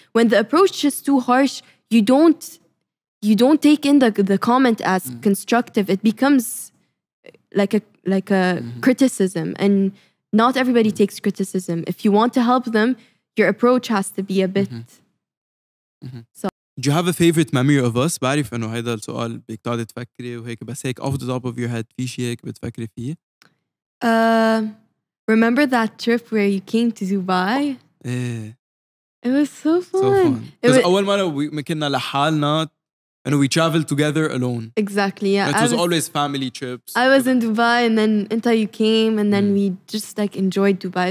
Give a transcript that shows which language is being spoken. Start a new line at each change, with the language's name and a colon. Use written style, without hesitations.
English: When the approach is too harsh, you don't take in the comment as constructive. It becomes like a criticism, and not everybody takes criticism. If you want to help them, your approach has to be a bit. So. Do you have a favorite memory of us?
Arabic: بعرف إنه هذا السؤال بيقتعد تفكري وهيك بس هيك
English: off the top of your head
Arabic: في شيء هيك بتفكري فيه.
English: Remember that trip where you came to Dubai? Yeah. It was so fun. Because
Arabic: أول مرة
English: we
Arabic: كنا لحالنا
English: and we traveled together alone. Exactly. Yeah. It was always family trips. I was in Dubai and then until you came and then we just like enjoyed Dubai.